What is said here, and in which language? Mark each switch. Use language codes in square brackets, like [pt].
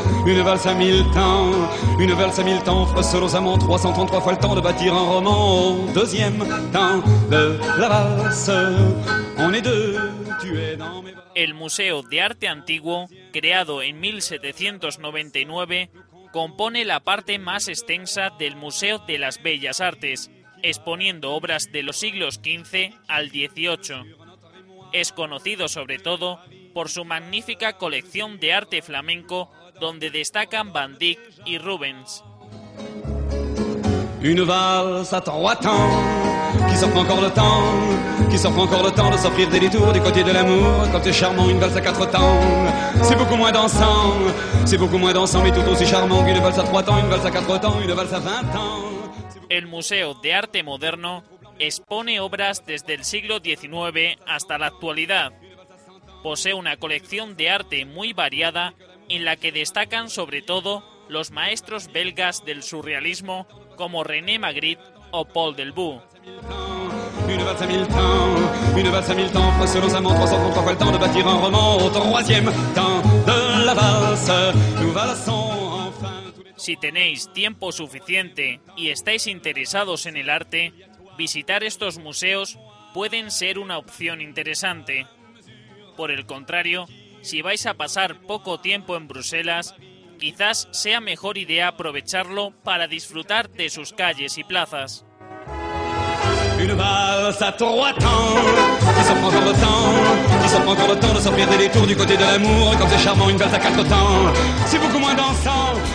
[fr] Une valse à mille temps, une valse à mille temps, frosse aux amants, 333 fois le temps de bâtir un roman. Au deuxième temps de la valse, on est deux, tu es dans mes bras. [es] El Museo de Arte Antiguo, creado en 1799, compone la parte más extensa del Museo de las Bellas Artes, exponiendo obras de los siglos XV al XVIII. Es conocido sobre todo por su magnífica colección de arte flamenco, donde destacan Van Dyck y Rubens. [fr] Une valse à trois temps, qui s'offre encore le temps, qui s'offre encore le temps de s'offrir des détours du côté de l'amour. Quand t'es charmant, une valse à quatre temps, c'est beaucoup moins dansant, c'est beaucoup moins dansant, mais tout aussi charmant qu'une valse à trois temps, une valse à quatre temps, une valse à vingt ans. [es] El Museo de Arte Moderno expone obras desde el siglo XIX hasta la actualidad. Posee una colección de arte muy variada, en la que destacan sobre todo los maestros belgas del surrealismo como René Magritte o Paul Delvaux. [fr] Une valse à mille temps, une valse à mille temps, frosse nos amants, 333 fois le temps de bâtir un roman. Au troisième temps de la valse, nous valsons enfin. [es] Si tenéis tiempo suficiente y estáis interesados en el arte, visitar estos museos pueden ser una opción interesante. Por el contrario, si vais a pasar poco tiempo en Bruselas, quizás sea mejor idea aprovecharlo para disfrutar de sus calles y plazas. [fr] Une valse à trois temps, qui s'offre encore le temps, qui s'offre encore le temps de s'offrir des détours du côté de l'amour. Quand c'est charmant, une valse à quatre temps, c'est beaucoup moins dansant.